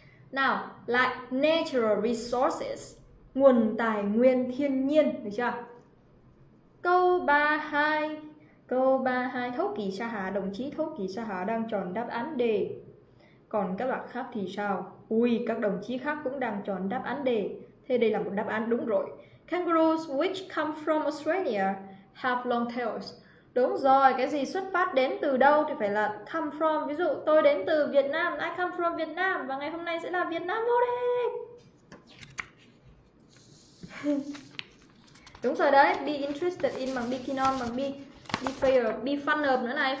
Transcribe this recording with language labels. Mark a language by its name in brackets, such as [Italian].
[Vietnamese] Nào, lại natural resources, nguồn tài nguyên thiên nhiên, được chưa? Câu 32. Câu 32, Thấu Kỳ Sa Hà, đồng chí Thấu Kỳ Sa Hà đang chọn đáp án D. Còn các bạn khác thì sao? Ui, các đồng chí khác cũng đang chọn đáp án D. Thế đây là một đáp án đúng rồi. [English] Kangaroos which come from Australia have long tails. [Vietnamese] Đúng rồi, cái gì xuất phát đến từ đâu thì phải là come from. Ví dụ tôi đến từ Việt Nam, [English] I come from Việt Nam. [Vietnamese] Và ngày hôm nay sẽ là Việt Nam vô địch. Đúng rồi đấy, be interested in bằng be keen on, bằng be fair, be fun up nữa này.